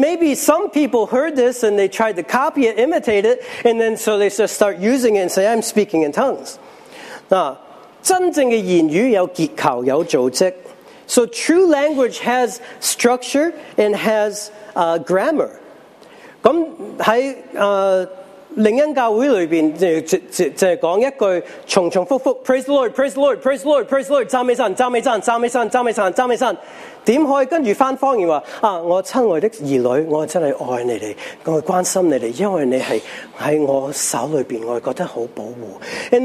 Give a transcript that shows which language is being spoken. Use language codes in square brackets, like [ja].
[en] maybe some people heard this and they tried to copy it, imitate it, and then so they just start using it and say, I'm speaking in tongues. [yue] 真正嘅言語有結構，有組織。 [en] So true language has structure and has grammar. [yue] 咁喺 靈恩教會裏面，即係講一句重重複複 [en] ，Praise the Lord, Praise the Lord, Praise the Lord, Praise the Lord， [yue] 讚美神，讚美神，讚美神，讚美神，讚美神，點可以跟住翻方言話？啊，我親愛的兒女，我真係愛你哋，我關心你哋，因為你係喺我手裏邊，我覺得好保護。And